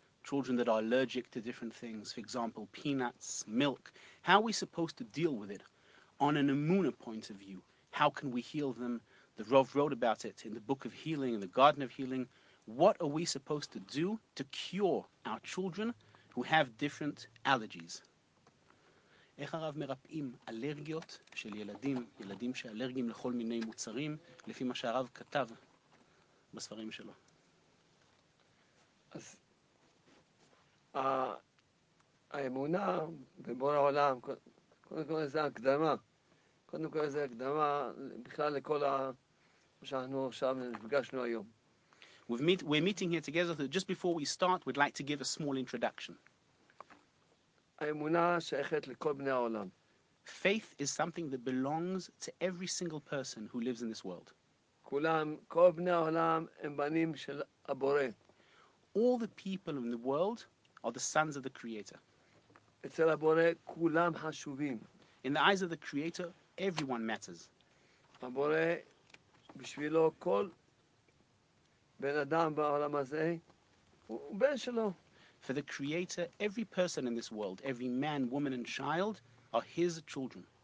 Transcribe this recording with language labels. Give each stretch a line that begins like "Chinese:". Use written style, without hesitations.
English: Children that are allergic to different things, for example, peanuts, milk. How are we supposed to deal with it? On an Emuna point of view, how can we heal them? The Rav wrote about it in the Book of Healing, in the Garden of Healing. What are we supposed to do to cure our children who have different allergies?
Hebrew: איך הרב מרפאים אלרגיות של ילדים, ילדים שאלרגיים לכל מיני מוצרים, לפי מה שהרב כתב בספרים שלו? אז האמונה בבורא העולם, קודם כל זה הקדמה. קודם כל זה הקדמה בכלל לכל מה שאנחנו עכשיו נפגשנו היום.
English: We're meeting here together, so just before we start, we'd like to give a small introduction.
Hebrew: האמונה שייכת לכל בני העולם.
English: Faith is something that belongs to every single person who lives in this world.
Hebrew: כולם, כל בני העולם הם בנים של הבורא.
English: All the people in the world are the sons of the Creator.
Hebrew: אצל הבורא כולם חשובים.
English: In the eyes of the Creator, everyone matters.
Hebrew: הבורא בשבילו כל בן אדם בעולם הזה הוא בן שלו.
English: For the Creator, every person in this world, every man, woman, and child, are His children.